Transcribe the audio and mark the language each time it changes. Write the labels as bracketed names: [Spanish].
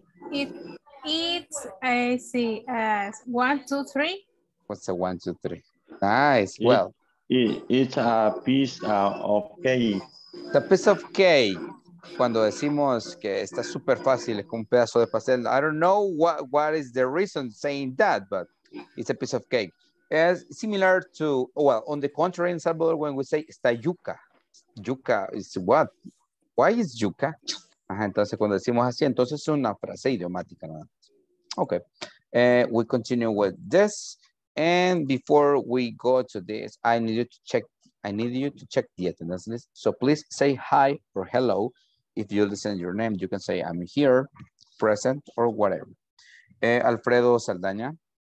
[English] It's a piece of cake. It's a piece of cake. [Spanish] Cuando decimos que está super fácil, es como un pedazo de pastel. [English] I don't know what is the reason saying that, but it's a piece of cake. It's similar to, well, on the contrary, in Salvador, when we say [Spanish] está yuca. [English] Yuca is what? Why is yuca? [Spanish] Ajá, entonces, cuando decimos así, entonces es una frase idiomática. [English] ¿No? Okay, we continue with this. And before we go to this, I need you to check the attendance list. So please say hi or hello. If you listen to your name, you can say I'm here, present, or whatever. Alfredo Saldaña.